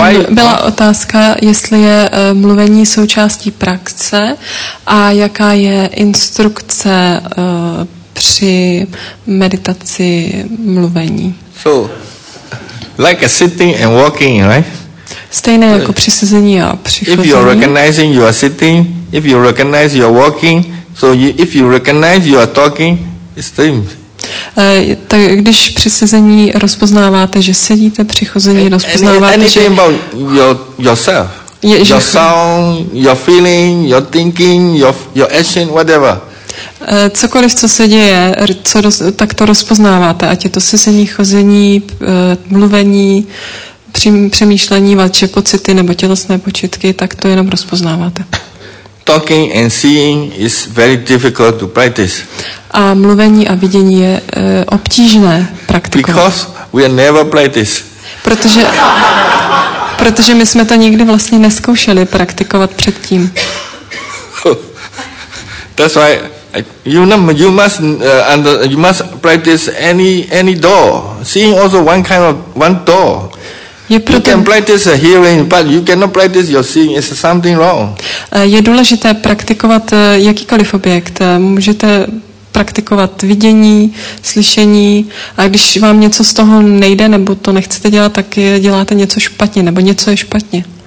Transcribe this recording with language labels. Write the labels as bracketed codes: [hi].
[cs] Byla otázka, jestli je mluvení součástí praxe a jaká je instrukce při meditaci mluvení. [en] So, like a sitting and walking, right? [cs] Stejné jako při sezení a při chození. [en] If you're recognizing you are sitting, if you recognize you're walking, so you, if you recognize you are talking, it's the same. [cs] Tak když při sezení rozpoznáváte, že sedíte, při chození rozpoznáváte, [en] anything [cs] že... [en] Anything about yourself. Your sound, your feeling, your thinking, your action, whatever. [cs] Cokoliv, co se děje, tak to rozpoznáváte, ať je to sezení, chození, mluvení, přemýšlení, vaše pocity nebo tělesné počitky, tak to jenom rozpoznáváte. [en] Talking and seeing is very difficult to practice. [cs] A mluvení a vidění je obtížné praktikovat. [en] Because we have never practiced. [cs] Protože my jsme to nikdy vlastně neskoušeli praktikovat předtím. [en] That's why you must practice any door. Seeing also one kind of one door. You can practice a hearing, but you cannot practice your seeing. It's something wrong. [cs] Je důležité praktikovat jakýkoliv objekt. Můžete praktikovat vidění, slyšení, a když vám něco z toho nejde nebo to nechcete dělat, tak děláte něco špatně nebo něco je špatně.